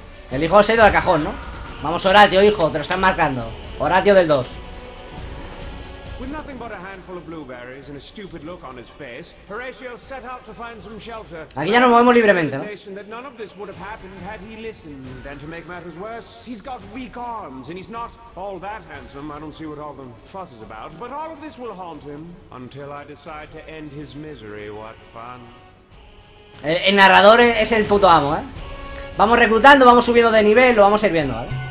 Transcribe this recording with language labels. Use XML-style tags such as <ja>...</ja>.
<es>El hijo se ha ido al cajón, ¿no? Vamos, Horatio, hijo, te lo están marcando. Horatio del 2.</es> <en>With nothing but a handful of blueberries and a stupid look on his face, Horatio set out to find some shelter.</en> <es>Aquí ya nos movemos libremente, ¿no?</es> <en>Realization that none of this would have happened had he listened. And to make matters worse, he's got weak arms and he's not all that handsome. I don't see what all the fuss is about. But all of this will haunt him until I decide to end his misery. What fun!</en> <es>El narrador es el puto amo, ¿eh? Vamos reclutando, vamos subiendo de nivel, lo vamos sirviendo, ¿vale?</es>